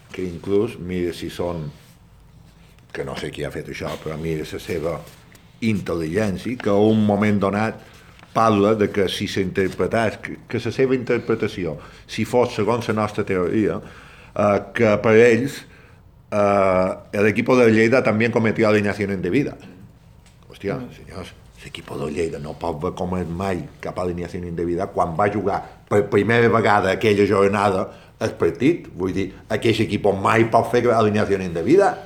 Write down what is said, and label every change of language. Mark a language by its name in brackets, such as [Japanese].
[Catalan] Que inclús, mira si són, que no sé qui ha fet això, però mira la seva intel·ligència, que a un moment donat parla de que si s'interpretés, que la seva interpretació, si fos segons la nostra teoria, que per ells... [Spanish] el equipo de Lleida també cometió alineación indebida. [Catalan] Hòstia, senyors, l'equipo de Lleida no pot haver comès mai cap [Spanish] alineación indebida [Catalan] quan va jugar per primera vegada aquella jornada el partit, vull dir, aquest equip mai pot fer alineació indebida,